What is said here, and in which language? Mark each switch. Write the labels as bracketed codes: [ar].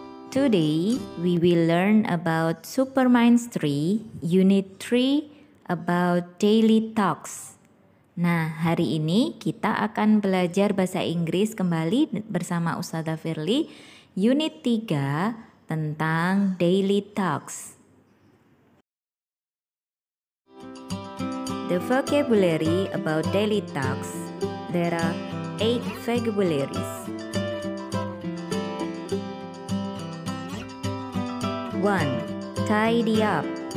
[en] Today, we will learn about Superminds 3, Unit 3, about daily talks. [id] Nah, hari ini kita akan belajar bahasa Inggris kembali bersama Ustazah Firly, Unit 3 tentang daily talks. [en] The vocabulary about daily talks, there are 8 vocabularies. 1. Tidy up.